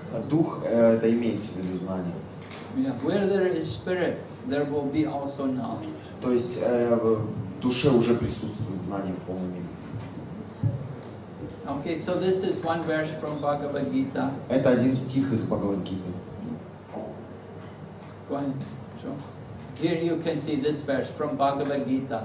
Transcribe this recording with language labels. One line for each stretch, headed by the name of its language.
Russian: Дух это имеется в виду знание.
English: Yeah, where there is spirit, there will be also knowledge.
Russian: То есть в душе уже присутствует знание в полной мере.
English: Okay, so this is one verse from Bhagavad Gita.
Russian: Это один стих из Бхагавад Гиты.
English: Go ahead, Joe. Here you can see this verse from Bhagavad Gita.